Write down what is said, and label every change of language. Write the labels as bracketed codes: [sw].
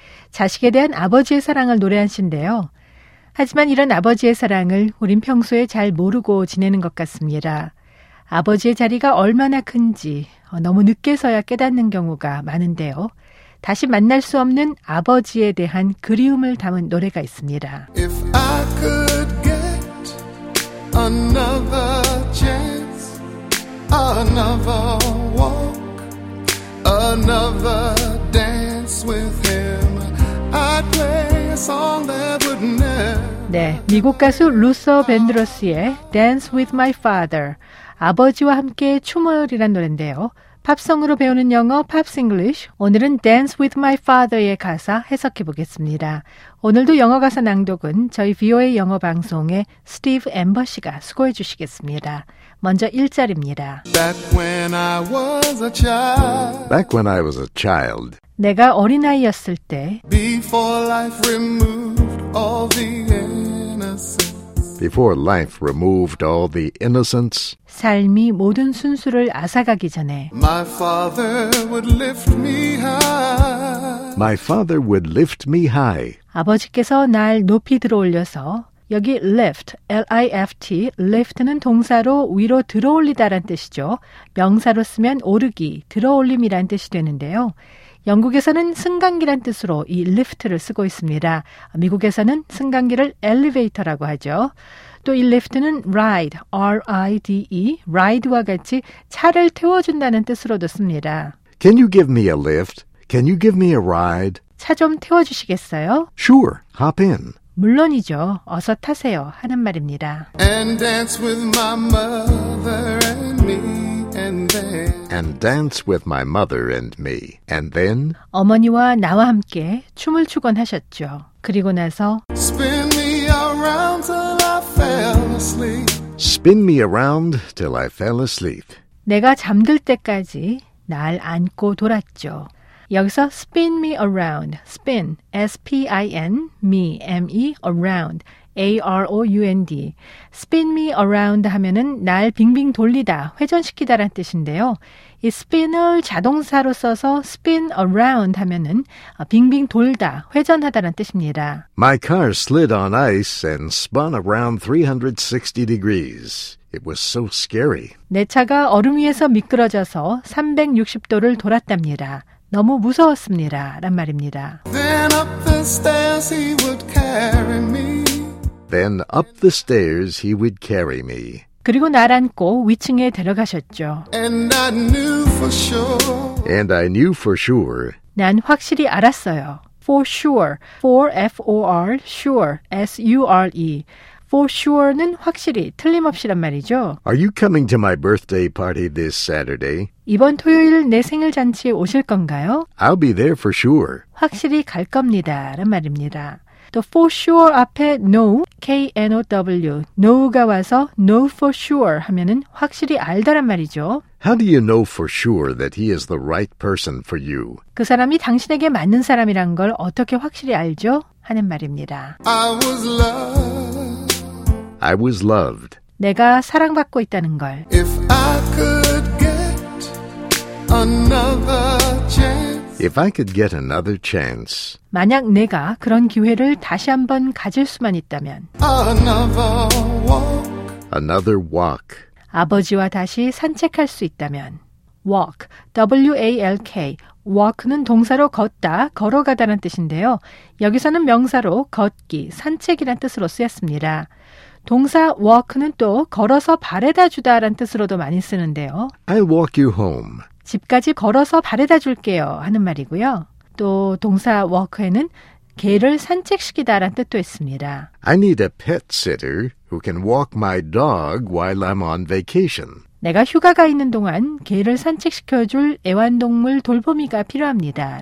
[ko] 자식에 대한 아버지의 사랑을 노래한 시인데요. 하지만 이런 아버지의 사랑을 우린 평소에 잘 모르고 지내는 것 같습니다. 아버지의 자리가 얼마나 큰지 너무 늦게서야 깨닫는 경우가 많은데요. 다시 만날 수 없는 아버지에 대한 그리움을 담은 노래가 있습니다. [en] If I could get another chance, another walk, another dance with him, I'd play a song that would never. [ko] 네, 미국 가수 루서 벤드러스의 Dance with My Father, 아버지와 함께 춤을이란 노래인데요. 팝송으로 배우는 영어 Pops English. 오늘은 Dance with My Father의 가사 해석해 보겠습니다. 오늘도 영어 가사 낭독은 저희 VOA 영어 방송의 스티브 앰버 씨가 수고해 주시겠습니다. 먼저 1절입니다. [en] Back when I was a child. Back when I was a child. [ko] 내가 어린아이였을 때. [en] Before life removed all the innocence. Before life removed all the innocence, [ko] 삶이 모든 순수를 앗아가기 전에, [en] my father would lift me high. My father would lift me high. [ko] 아버지께서 날 높이 들어올려서, 여기 lift, L-I-F-T, lift는 동사로 위로 들어올리다란 뜻이죠. 명사로 쓰면 오르기, 들어올림이란 뜻이 되는데요. 영국에서는 승강기란 뜻으로 이 lift를 쓰고 있습니다. 미국에서는 승강기를 elevator라고 하죠. 또 이 lift는 ride, R-I-D-E, ride와 같이 차를 태워준다는 뜻으로도 씁니다. [en] Can you give me a lift? Can you give me a ride? [ko] 차 좀 태워주시겠어요? [en] Sure, hop in. [ko] 물론이죠. 어서 타세요 하는 말입니다. [en] And dance with my mother and me. And dance with my mother and me. And then [ko] 어머니와 나와 함께 춤을 추곤 하셨죠. 그리고 나서 [en] spin me around till I fell asleep. Spin me around till I fell asleep. [ko] 내가 잠들 때까지 날 안고 돌았죠. 여기서 [en] spin me around, spin, S-P-I-N, me, M-E, around, A-R-O-U-N-D. [ko] spin me around 하면은 날 빙빙 돌리다, 회전시키다란 뜻인데요. 이 spin을 자동사로 써서 spin around 하면은 빙빙 돌다, 회전하다란 뜻입니다. [en] My car slid on ice and spun around 360 degrees. It was so scary. [ko] 내 차가 얼음 위에서 미끄러져서 360도를 돌았답니다. 너무 무서웠습니다. 란 말입니다. [en] Then up the stairs he would carry me. Then up the stairs he would carry me. [ko] 그리고 날 안고 위층에 데려가셨죠. [en] And I knew for sure. And I knew for sure. [ko] 난 확실히 알았어요. [en] For sure. For F-O-R. Sure. S-U-R-E. [ko] For sure는 확실히, 틀림없이란 말이죠. [en] Are you coming to my birthday party this Saturday? [ko] 이번 토요일 내 생일 잔치에 오실 건가요? [en] I'll be there for sure. [ko] 확실히 갈 겁니다라는 말입니다. 또 for sure 앞에 know, K-N-O-W, know가 와서 know for sure 하면은 확실히 알다란 말이죠. [en] How do you know for sure that he is the right person for you? [ko] 그 사람이 당신에게 맞는 사람이란 걸 어떻게 확실히 알죠? 하는 말입니다. [en] I was loved. I was loved. [ko] 내가 사랑받고 있다는 걸. [en] If I could get another chance. If I could get another chance. [ko] 만약 내가 그런 기회를 다시 한번 가질 수만 있다면. [en] Another walk. Another walk. [ko] 아버지와 다시 산책할 수 있다면. [en] Walk. W-A-L-K. [ko] Walk는 동사로 걷다, 걸어가다는 뜻인데요. 여기서는 명사로 걷기, 산책이란 뜻으로 쓰였습니다. 동사 walk는 또 걸어서 바래다 주다라는 뜻으로도 많이 쓰는데요. [en] I'll walk you home. [ko] 집까지 걸어서 바래다 줄게요 하는 말이고요. 또 동사 walk에는 개를 산책시키다라는 뜻도 있습니다. [en] I need a pet sitter who can walk my dog while I'm on vacation. [ko] 내가 휴가가 있는 동안 개를 산책시켜줄 애완동물 돌보미가 필요합니다.